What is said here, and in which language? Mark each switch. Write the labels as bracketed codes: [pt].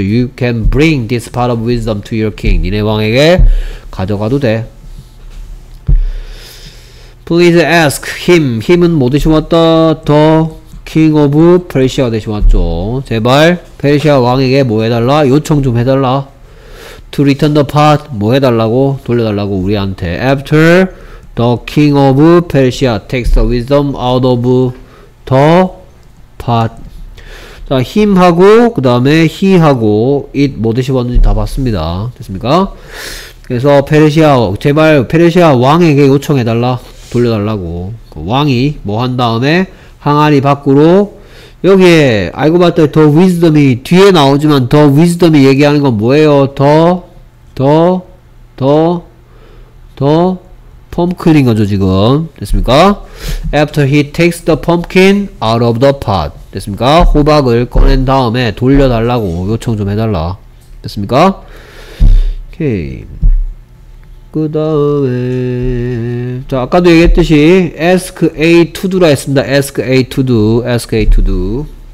[en] you can bring this part of wisdom to your king. [ko] 니네 왕에게 가져가도 돼. [en] please ask him. him은 [ko] 뭐 대신 왔다? [en] the king of persia [ko] 대신 왔죠. 제발 페르시아 왕에게 뭐 해달라? 요청 좀 해달라. [en] to return the pot. [ko] 뭐 해달라고? 돌려달라고 우리한테. [en] after the king of persia takes the wisdom out of the pot. [ko] 자, him 하고 그 다음에 he 하고 it 뭐 대신 왔는지 다 봤습니다. 됐습니까? 그래서 페르시아, 제발 페르시아 왕에게 요청해달라. 돌려달라고. 그 왕이 뭐 한 다음에 항아리 밖으로, 여기에 알고 봤더니 더 위즈덤이 뒤에 나오지만 더 위즈덤이 얘기하는 건 뭐예요? 더 펌킨인 거죠 지금. 됐습니까? [en] after he takes the pumpkin out of the pot. [ko] 됐습니까? 호박을 꺼낸 다음에 돌려달라고 요청 좀 해달라. 됐습니까? 오케이. 그 다음에, 자, 아까도 얘기했듯이 ask A to do라 했습니다. [en] ask A to do, ask A to do.